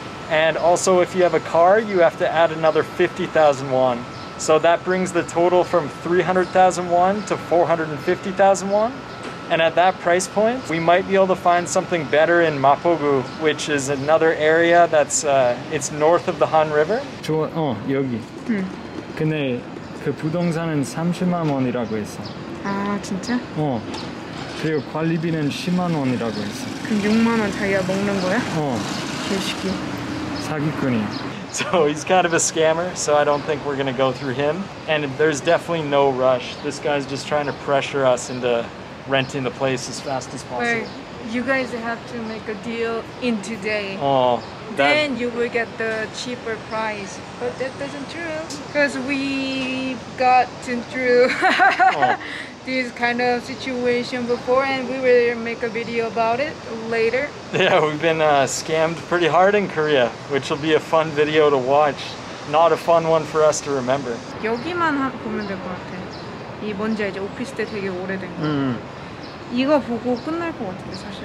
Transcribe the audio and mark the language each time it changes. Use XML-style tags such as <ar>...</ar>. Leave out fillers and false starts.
<en>And also if you have a car, you have to add another 50,000 won. So that brings the total from 300,000 won to 450,000 won. And at that price point, we might be able to find something better in Mapogu, which is another area that's it's north of the Han River.</en> <ko>좋아, 어, 여기. 응. 근데 그 부동산은 30만 원이라고 했어. 아, 진짜? 어. 그리고 관리비는 10만 원이라고 했어. 그럼 6만 원 자기가 먹는 거야? 어. 개시기. 사기꾼이야.</ko> <en>So he's kind of a scammer, so I don't think we're gonna go through him. And there's definitely no rush. This guy's just trying to pressure us into renting the place as fast as possible. Right. You guys have to make a deal in today. Oh, that... Then you will get the cheaper price. But that doesn't true. Because we gotten through this kind of situation before, and we will make a video about it later. Yeah, we've been scammed pretty hard in Korea, which will be a fun video to watch. Not a fun one for us to remember.</en> <ko>여기만 보면 될 것 같아. 이 먼저 이제 오피스 때 되게 오래된 거. 이거 보고 끝날 것 같은데 사실.</ko>